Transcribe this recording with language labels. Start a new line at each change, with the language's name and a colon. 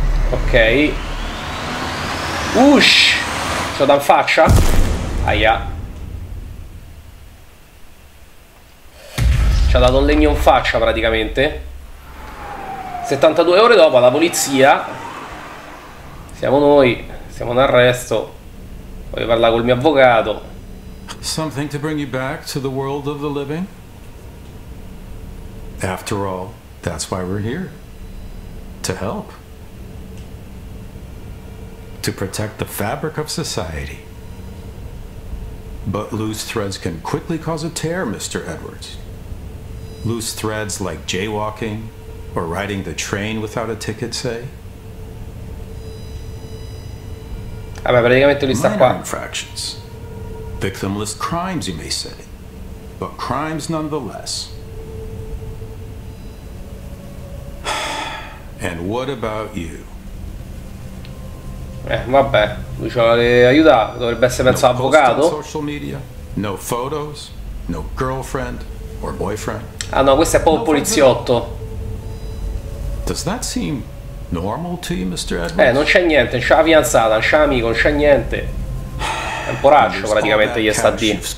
Italian: Ok. Ush, ce l'ho da in faccia? Aia. Ha dato un legno in faccia praticamente. 72 ore dopo la polizia. Siamo noi. Siamo in arresto. Voglio parlare col mio avvocato.
English: Something to bring you back to the world of the living? After all, that's why we're here. To help. To protect the fabric of society. But loose threads can quickly cause a tear, Mr. Edwards. Loose threads like jaywalking or riding the train without a ticket, say?
Italian: Vabbè, praticamente lui sta qua.
English: Minor infractions. Victimless crimes, you may say. But crimes nonetheless. And what about you?
Italian: Vabbè, lui ci vuole aiutare, dovrebbe essere penso avvocato.
English: No social media, no photos, no girlfriend or boyfriend.
Italian: Ah no, questo è proprio poliziotto.
English: Does that seem normal to you, Mr. Edwards?
Italian: Non c'è niente, non c'è la fidanzata, non c'è l'amico, non c'è niente. È un poraccio praticamente gli sta di.